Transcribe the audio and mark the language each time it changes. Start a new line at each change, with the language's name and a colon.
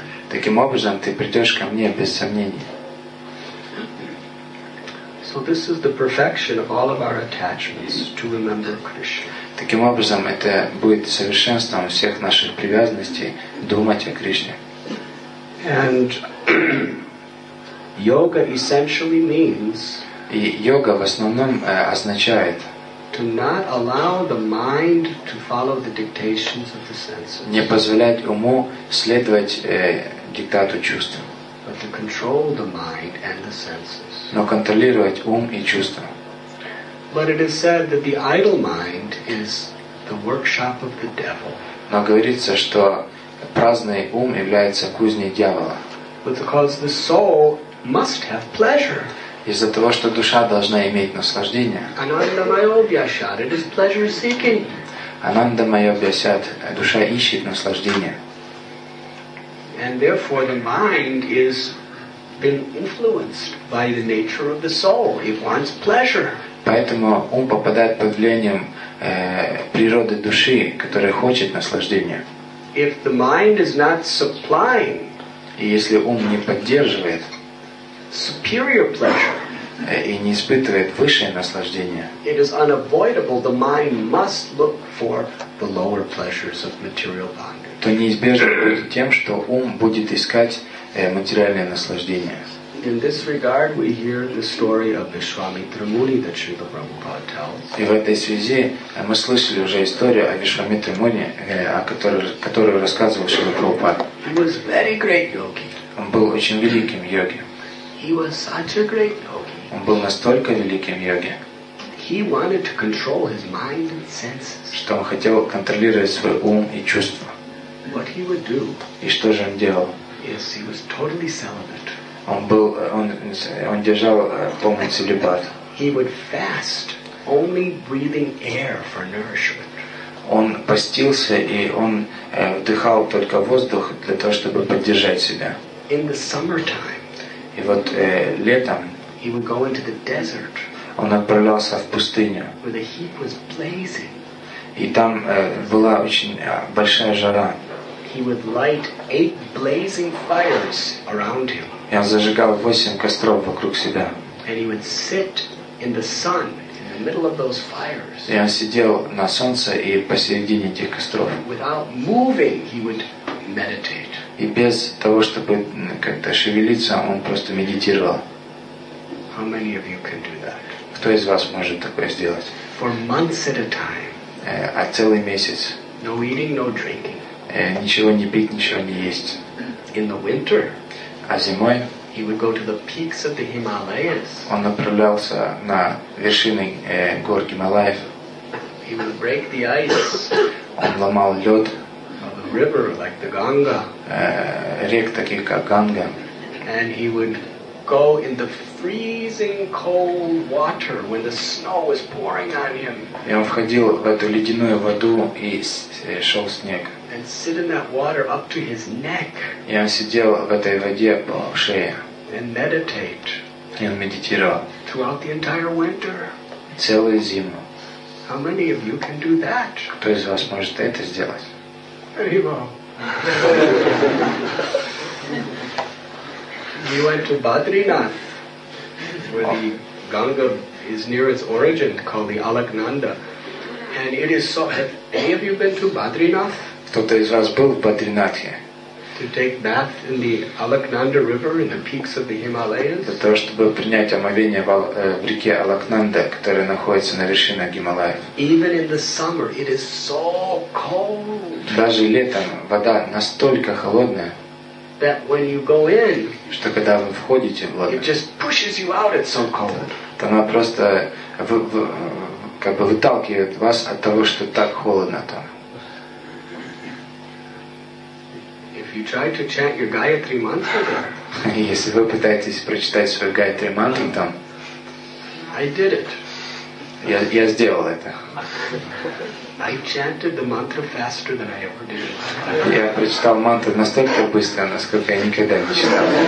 Russian: Таким образом, ты придешь ко мне без сомнений.
English: So this is the perfection of all of our attachments to remember Krishna.
Russian: Таким образом, это будет совершенством всех наших привязанностей думать о Кришне.
English: And yoga essentially means.
Russian: И йога в основном означает.
English: To not allow the mind to follow the dictations of the senses.
Russian: Не позволять уму следовать диктату чувств.
English: But to control the mind and the senses.
Russian: Но контролировать ум и чувства.
English: But it is said that the idle mind is the workshop of the devil.
Russian: Но говорится, что праздный ум является кузней дьявола.
English: But because the soul must have pleasure.
Russian: Из-за того, что душа должна иметь наслаждение.
English: Анандамайобьясят, it is pleasure seeking.
Russian: Анандамайобьясят, душа ищет наслаждение.
English: And therefore the mind is been influenced by the nature of the soul. It wants pleasure.
Russian: Поэтому ум попадает под влиянием природы души, которая хочет наслаждения.
English: If the mind is not supplying,
Russian: и если ум не поддерживает
English: superior pleasure,
Russian: и не испытывает высшее наслаждение,
English: it is unavoidable, the mind must look for the lower pleasures of material bondage.
Russian: То неизбежно будет тем, что ум будет искать материальное наслаждение.
English: In this regard, we hear the story of Vishwamitra Muni that Srila Prabhupada tells.
Russian: И в этой связи мы слышали уже историю о Вишвамитре Муни, которую рассказывал Шрила Прабхупада.
English: He was very great yogi.
Russian: Он был очень великим йоги.
English: He was such a great yogi.
Russian: Он был настолько великим йоги.
English: He wanted to control his mind and senses.
Russian: Что он хотел контролировать свой ум и чувства.
English: What he would do?
Russian: И что же он делал?
English: Yes, he was totally celibate.
Russian: Он держал полный целибат.
English: He would fast, only breathing air for nourishment.
Russian: Он постился и он вдыхал только воздух для того, чтобы поддержать себя.
English: In the summertime.
Russian: И вот летом.
English: He would go into the desert.
Russian: Он отправлялся в пустыню.
English: Where the heat was blazing.
Russian: И там была очень большая жара.
English: He would light 8 blazing fires around him.
Russian: И он зажигал 8 костров вокруг себя.
English: And he would sit in the sun in the middle of those fires.
Russian: И он сидел на солнце и посередине этих костров.
English: Without moving, he would meditate.
Russian: И без того, чтобы как-то шевелиться, он просто медитировал.
English: How many of you can do that?
Russian: Кто из вас может такое сделать?
English: For months at a time.
Russian: А целый месяц.
English: No eating, no drinking.
Russian: Ничего не пить, ничего не есть.
English: In the winter,
Russian: а зимой,
English: he would go to the peaks of the Himalayas.
Russian: Он направлялся на вершины гор Гималаев.
English: He would break the ice.
Russian: Он ломал лед.
English: Of a river like the Ganga.
Russian: Рек таких как Ганга.
English: And he would go in the freezing cold water when the snow was pouring on him.
Russian: И он входил в эту ледяную воду и шел снег.
English: And sit in that water up to his neck.
Russian: И он сидел в этой воде по шее.
English: And meditate.
Russian: И он медитировал.
English: Throughout the entire winter.
Russian: Целую зиму.
English: How many of you can do that?
Russian: Кто из вас может это сделать?
English: He went to Badrinath, where the Ganga is near its origin, called the Alaknanda. And it is so. Have any of you been to Badrinath?
Russian: Кто-то из вас был в Бадринатхе?
English: To take bath in the Alaknanda River in the peaks of the Himalayas.
Russian: Для того, чтобы принять омовение в реке Алакнанда, которая находится на вершине Гималаев.
English: Even in the summer, it is so cold.
Russian: Даже летом вода настолько холодная.
English: That when you go in,
Russian: что когда вы входите в воду,
English: it just pushes you out. It's so cold.
Russian: То она просто как бы выталкивает вас от того, что так холодно там.
English: You try to chant your Gayatri mantra there.
Russian: Если вы пытаетесь прочитать свою Гаятри мантру там.
English: I did it.
Russian: Я сделал это.
English: I chanted the mantra faster than I ever did.
Russian: Я прочитал мантру настолько быстро, насколько я никогда не читал.